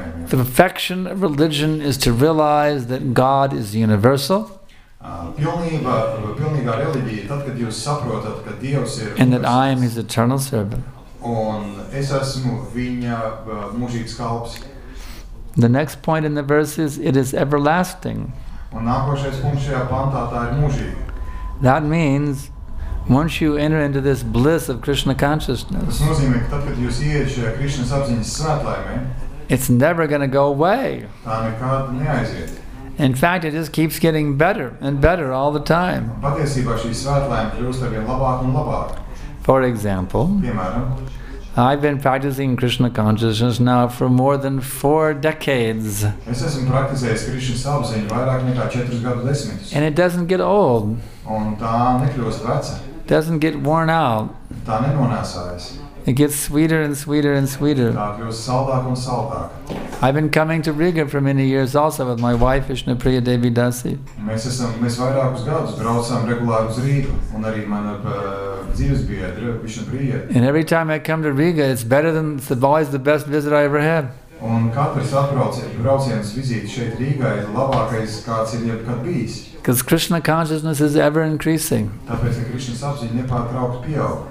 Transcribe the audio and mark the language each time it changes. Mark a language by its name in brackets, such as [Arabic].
[English] The perfection of religion is to realize that God is universal. [Latvian] pilnīgā reliģija tad, kad jūs saprotat, ka Dievs ir [English] and that I am his eternal servant. [Latvian] Un es esmu viņa mūžīgs kalps. [English] The next point in the verse is, it is everlasting. [Latvian] Un nākošais punkts šajā pantā, tā ir mūžīga. [English] That means, once you enter into this bliss of Krishna consciousness, [Latvian] tas nozīmē, ka tad, kad jūs ieiet šajā Krishna apziņas svētlaimē, [English] it's never going to go away. [Latvian] Tā nekād neaiziet. [English] In fact, it just keeps getting better and better all the time. [Latvian] Patiesībā šī svētlaime kļūst ar vien labāk un labāk. [English] For example, [Latvian] piemēram, [English] I've been practicing Krishna consciousness now for more than 4 decades. [Latvian] Es esmu praktizējis Krishna apziņu vairāk nekā 4 gadu desmitus. [English] And it doesn't get old. [Latvian] Un tā nekļūst veca. [English] Doesn't get worn out. [Latvian] Tā nenonāsājas. [English] It gets sweeter and sweeter and sweeter. [Latvian] Tā kļūst saldāk un saldāk. [English] I've been coming to Riga for many years also with my wife Vishnupriya Devi Dasi. [Latvian] Mēs vairākus gadus braucām regulāri uz Rīgu un arī man dzīves biedra Vishnupriya. [English] And every time I come to Riga, it's better than it's always the best visit I ever had. [Latvian] Un katrs brauciens vizīte šeit Rīgā ir labākais, kāds ir jebkad bijis. [English] Because Krishna consciousness is ever increasing. [Latvian] Tāpēc, ka Krishna apziņa nepārtraukti pieaug.